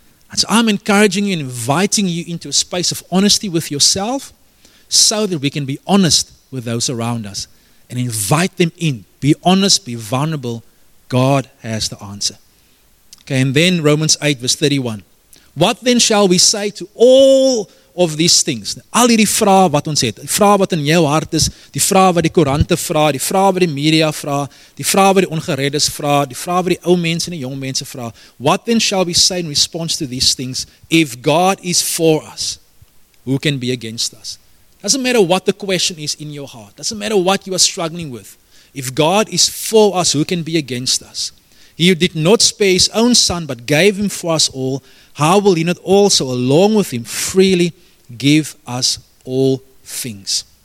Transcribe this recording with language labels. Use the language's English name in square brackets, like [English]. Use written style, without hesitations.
[English] And so I'm encouraging you and inviting you into a space of honesty with yourself so that we can be honest with those around us and invite them in. Be honest, be vulnerable. God has the answer. Okay, and then Romans 8 verse 31. What then shall we say to all of these things? [Afrikaans] Al hierdie vraag wat ons het, die vraag wat in jou hart is, die vraag wat die korante vraag, die vraag wat die media vraag, die vraag wat die ongereddes vraag, die vraag wat die ou mense en die jong mense vraag. [English] What then shall we say in response to these things? If God is for us, who can be against us? Doesn't matter what the question is in your heart. Doesn't matter what you are struggling with. If God is for us, who can be against us? He who did not spare his own son, but gave him for us all, how will he not also, along with him, freely give us all things?